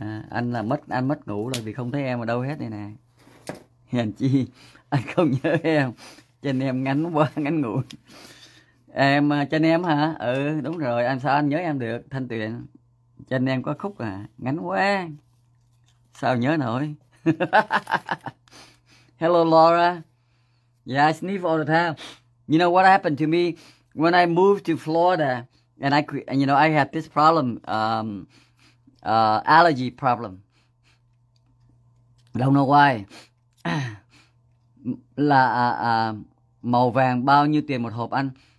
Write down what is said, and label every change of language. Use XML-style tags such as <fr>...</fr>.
<vi>Anh mất ngủ rồi vì không thấy em ở đâu hết đây nè. Hèn chi anh không nhớ em, trên em ngắn quá ngắn ngủ. Em trên em hả? Ừ đúng rồi, anh sao anh nhớ em được. Thanh Tuyền, trên em có khúc à, ngắn quá sao nhớ nổi.</vi> <en>Hello Laura. Yeah, I sniff all the time. You know what happened to me when I moved to Florida and you know I had this problem, allergy problem. Don't know why.</en> <vi>Là màu vàng bao nhiêu tiền một hộp anh?</vi>